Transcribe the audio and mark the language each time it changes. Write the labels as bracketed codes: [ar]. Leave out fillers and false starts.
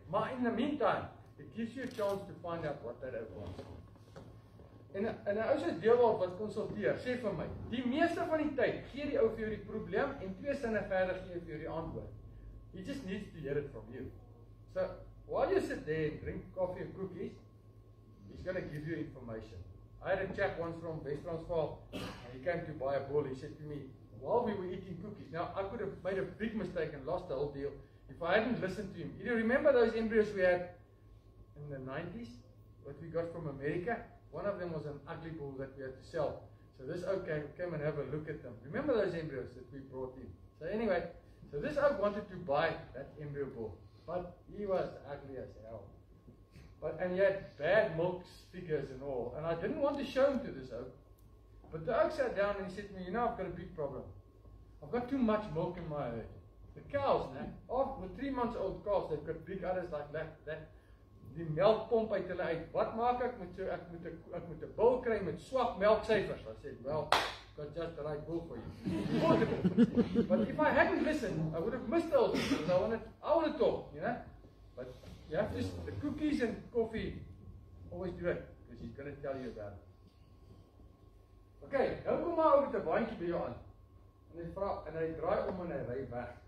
[en] Maar in the meantime, it gives you a chance to find out what that ever wants. [af] En een ouse deelwaard wat consulteer, sê vir my, die meeste van die tyd gee die ou vir jou die probleem en twee sinne verder gee vir jou die antwoord. [en] He just needs to hear it from you. So, while you sit there and drink coffee and cookies, he's going to give you information. I had a chap once from West Transvaal, and he came to buy a bowl. He said to me, while we were eating cookies, now I could have made a big mistake and lost the whole deal if I hadn't listened to him. You remember those embryos we had in the 90s, what we got from America? One of them was an ugly bull that we had to sell. So this okay, came and have a look at them. Remember those embryos that we brought in? So anyway, so this oak wanted to buy that embryo bull. But he was ugly as hell. But and he had bad milk figures and all. And I didn't want to show him to this oak. But the oak sat down and he said to me, you know, I've got a big problem. I've got too much milk in my herd. The cows, man, oh, the 3 months old calves, they've got big udders like that. [af] Die melk pomp uit hulle uit. Wat maak ek met so ek moet 'n bul kry met swak melksyfers? [en] Hy sê, "Well, got just the right bull for you." But if I hadn't listened, I would have missed all this because I wanted to, you know? But you have to the cookies and coffee always do it because he's going to tell you about it. [af] Okay, nou kom maar oor te bandjie by jou aan. En hy vra en hy draai om en hy ry weg.